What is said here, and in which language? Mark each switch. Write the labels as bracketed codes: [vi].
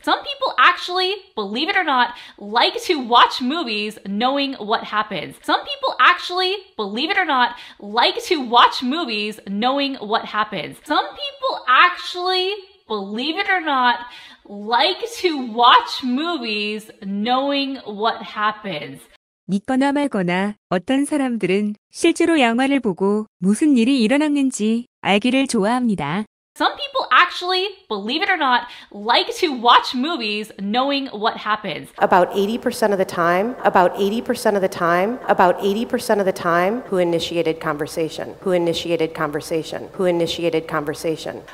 [en] Some people actually, believe it or not, like to watch movies knowing what happens. Some people actually, believe it or not, like to watch movies knowing what happens. Some people actually, believe it or not, like to watch movies knowing what happens. [ko] 믿거나 말거나 어떤 사람들은 실제로 영화를 보고 무슨 일이 일어났는지 알기를 좋아합니다. [en] Some people actually, believe it or not, like to watch movies knowing what happens. About 80% of the time, who initiated conversation.